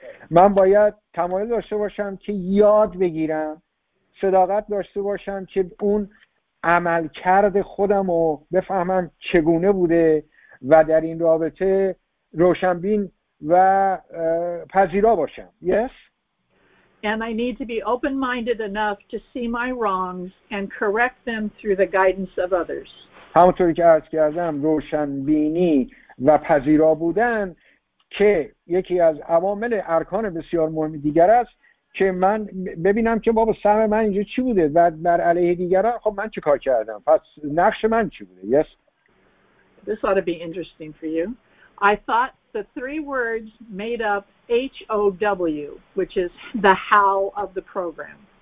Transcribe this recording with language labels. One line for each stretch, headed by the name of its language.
Persian: من باید تمایل داشته باشم که یاد بگیرم، صداقت داشته باشم که اون عمل کرد خودم رو بفهمم چگونه بوده و در این رابطه روشنبین و پذیرا باشم.
English: Yes? And I need to be open-minded enough to see my wrongs and correct them through the guidance of others.
Persian: همونطوری که عرض کردم روشنبینی و پذیرا بودن که یکی از عوامل ارکان بسیار مهم دیگر است که من ببینم که بابا سهم من اینجا چی بوده و بر علیه دیگران خب من چه کار کردم پس نقش من چی بوده.
English: Yes? This ought to be interesting for you. I thought the three words made up H-O-W, which is the how of the program.